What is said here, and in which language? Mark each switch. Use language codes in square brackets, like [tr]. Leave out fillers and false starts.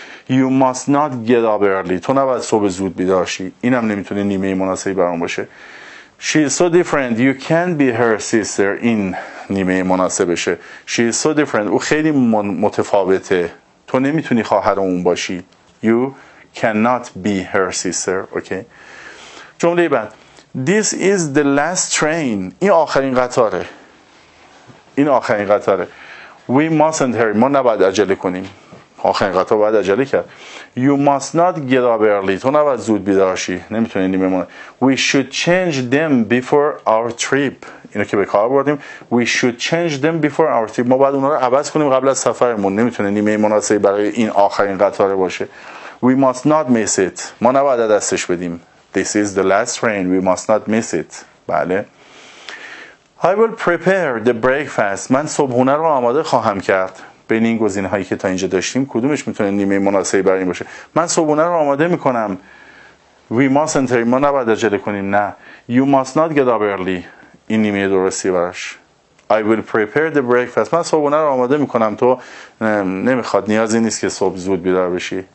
[en] You must not get up early. [fa] تو نباید صبح زود بیدار شی. اینم نمیتونه نیمه مناسبی برام باشه. [en] She is so different. You can't be her sister. [fa] این نیمه مناسبشه. [en] She is so different. [fa] او خیلی متفاوته. تو نمیتونی خواهر اون باشی. [en] You cannot be her sister. Okay. [fa] جمله بعد. [en] This is the last train. [fa] این آخرین قطاره. این آخرین قطاره. [en] We mustn't hurry. [fa] ما نباید عجله کنیم. آخرین قطار باید عجله کرد. [en] You must not get up early. [fa] تو نباید زود بیدار شی. نمیتونی نیمه مونه. [en] We should change them before our trip. [fa] اینو که به کار بردیم. [en] We should change them before our trip. [fa] ما باید اونا رو عوض کنیم قبل از سفرمون. نمیتونه نیمه مناسبی برای این آخرین قطاره باشه. [en] We must not miss it. [fa] ما نباید دستش بدیم. [en] This is the last train. We must not miss it. بله. I will prepare the breakfast. [fa] من صبحونه رو آماده خواهم کرد. بین این گزینه‌هایی که تا اینجا داشتیم کدومش میتونه نیمه مناسبی برای این باشه؟ من صبحونه رو آماده میکنم. [en] We mustn't hurry. [fa] ما نباید عجله کنیم. نه. [en] You must not get up early. [fa] این نیمه درستی براش. [en] I will prepare the breakfast. [fa] من صبحونه رو آماده میکنم. تو نمیخواد، نیازی نیست که صبح زود بیدار بشی.